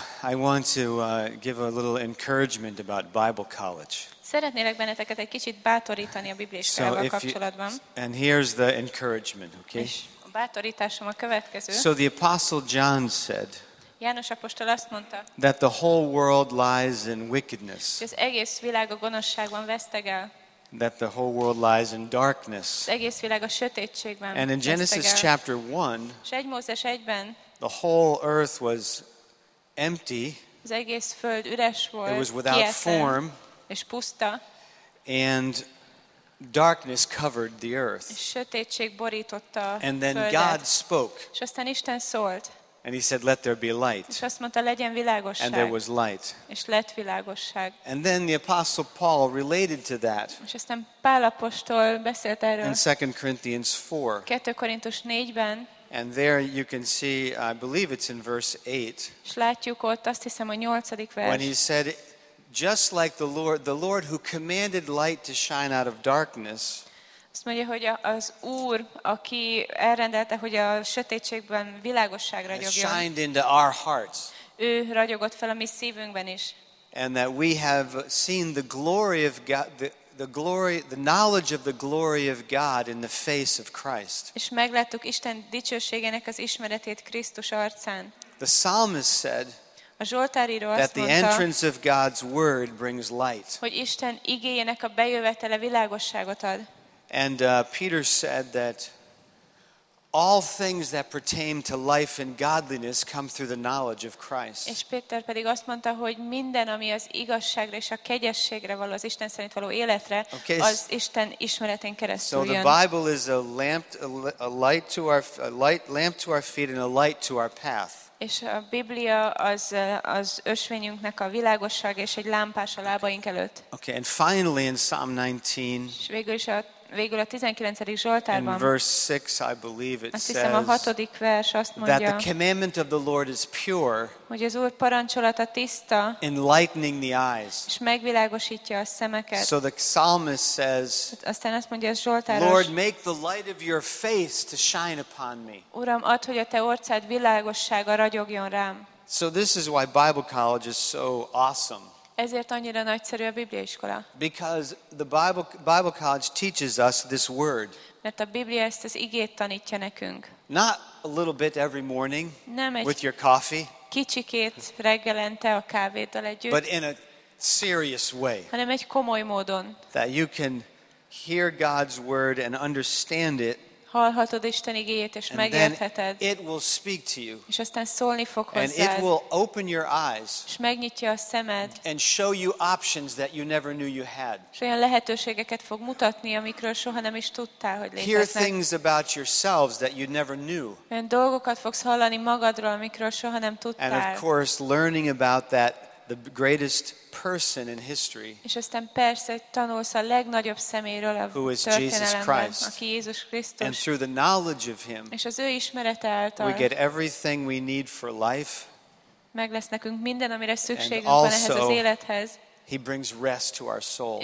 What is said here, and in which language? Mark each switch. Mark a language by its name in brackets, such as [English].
[English] I want to give a little encouragement about Bible college. [Hungarian] Szeretnélek benneteket egy kicsit bátorítani a Biblia iskolával kapcsolatban. [English] And here's the encouragement, okay? [Hungarian] És a bátorításom a következő. [English] So the Apostle John said. [Hungarian] János apostol azt mondta. [English] That the whole world lies in wickedness. [Hungarian] Az egész világ a gonoszságban vesztegel. [English] That the whole world lies in darkness. [Hungarian] Az egész világ a sötétségben. [English] And in Genesis chapter 1, [Hungarian] és egy Mózes 1-ben, [English] the whole earth was empty. [Hungarian] Az egész föld üres volt. [English] It was without form. [Hungarian] És puszta. [English] And darkness covered the earth. [Hungarian] És sötétség borította a földet. [English] And then God spoke. [Hungarian] És aztán Isten szólt. [English] And he said, let there be light. [Hungarian] És azt mondta, legyen világosság. [English] And there was light. [Hungarian] És lett világosság. [English] And then the Apostle Paul related to that. [Hungarian] És aztán Pál apostol beszélt erről. [English] In 2 Corinthians 4. [Hungarian] 2 Korintus 4-ben. [English] And there you can see, I believe it's in verse 8. [Hungarian] És látjuk ott, azt hiszem, a 8. vers. [English] When he said, just like the Lord who commanded light to shine out of darkness. [Hungarian] Azt mondja, hogy az Úr, aki elrendelte, hogy a sötétségben világosság ragyogjon. [English] Shined into our hearts. [Hungarian] Ő ragyogott fel a mi szívünkben is. [English] And that we have seen the glory of God, the glory, the knowledge of the glory of God in the face of Christ. [Hungarian] És megláttuk Isten dicsőségének az ismeretét Krisztus arcán. [English] The psalmist said. [Hungarian] A Zsoltáríró azt mondta, [English] that the entrance of God's word brings light. [Hungarian] Hogy Isten igéjének a bejövetele világosságot ad. [English] And Peter said that all things that pertain to life and godliness come through the knowledge of Christ. [Hungarian] És Péter pedig azt mondta, hogy minden, ami az igazságra és a kegyességre való, az Isten szerint való életre, okay. Az Isten ismeretén keresztül jön. [English] So the Bible is a light to our feet and a light to our path. [Hungarian] És a Biblia az ösvényünknek a világosság és egy lámpás a lábaink előtt. [English] Okay, and finally in Psalm 19. [Hungarian] És végül a 19. Zsoltárban. [English] In verse 6, I believe it says. [Hungarian] Azt hiszem a 6. vers azt mondja. [English] That the commandment of the Lord is pure. [Hungarian] Hogy az Úr parancsolata tiszta. [English] Enlightening the eyes. [Hungarian] És megvilágosítja a szemeket. [English] So the psalmist says. [Hungarian] Aztán azt mondja a Zsoltáros. [English] Lord, make the light of your face to shine upon me. [Hungarian] Uram, add, hogy a te orcád világossága ragyogjon rám. [English] So this is why Bible college is so awesome. [Hungarian] Ezért annyira nagyszerű a Biblia iskola. [English] Because the Bible college teaches us this word. [Hungarian] Mert a Biblia ezt az igét tanítja nekünk. [English] Not a little bit every morning. [Hungarian] Nem egy [English] with your coffee. [Hungarian] Kicsikét reggelente a kávéddal együtt. [English] But in a serious way. [Hungarian] Hanem egy komoly módon. [English] That you can hear God's word and understand it. [Hungarian] Hallhatod Isten igéjét és megértheted. [English] It will speak to you. [Hungarian] És aztán szólni fog hozzád. [English] And it will open your eyes. [Hungarian] És megnyitja a szemed. [English] And show you options that you never knew you had. [Hungarian] És olyan lehetőségeket fog mutatni, amikről soha nem is tudtál, hogy léteznek. [English] Hear things about yourselves that you never knew. [Hungarian] Olyan dolgokat fogsz hallani magadról, amikről soha nem tudtál. [English] And of course, learning about that the greatest person in history. [Hungarian] És aztán persze tanulsz a legnagyobb szeméről, a történelemben, aki Jézus Krisztus. [English] And through the knowledge of him. [Hungarian] És az ő ismerete által. [English] We get everything we need for life. [Hungarian] Meg lesz nekünk minden, amire szükségünk van ehhez az élethez. [English] He brings rest to our souls.